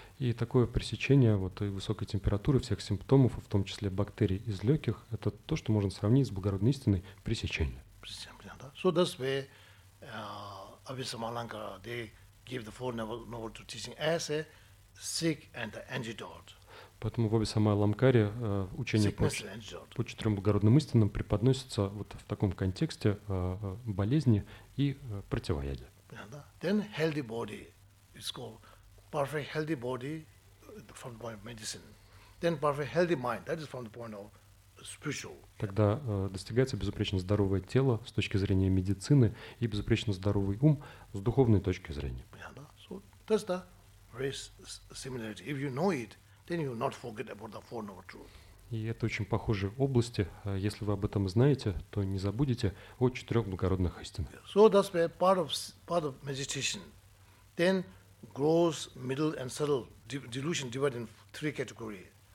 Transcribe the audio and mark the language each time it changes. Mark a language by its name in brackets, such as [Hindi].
[Russian] И такое пресечение вот и высокой температуры всех симптомов, в том числе бактерий из легких, это то, что можно сравнить с благородной истиной пресечения. [English] So that's why Abhisamalankara they give the four novel to teaching as a sick and the antidote. [Russian] Поэтому в Абхисамалангкаре учение по четырем благородным истинам преподносится вот в таком контексте болезни и противоядия. [English] Then healthy body is called perfect healthy body from the point of medicine. Then perfect healthy mind, that is from the point of spiritual. [Russian] Тогда достигается безупречно здоровое тело с точки зрения медицины и безупречно здоровый ум с духовной точки зрения. [English] So that's the very similarity. If you know it, then you not forget about the four noble truths. [Russian] И это очень похожие области. Если вы об этом знаете, то не забудете о четырех благородных истинах. [English] So that's where part of meditation. Then gross, middle, and subtle delusion divided in three categories.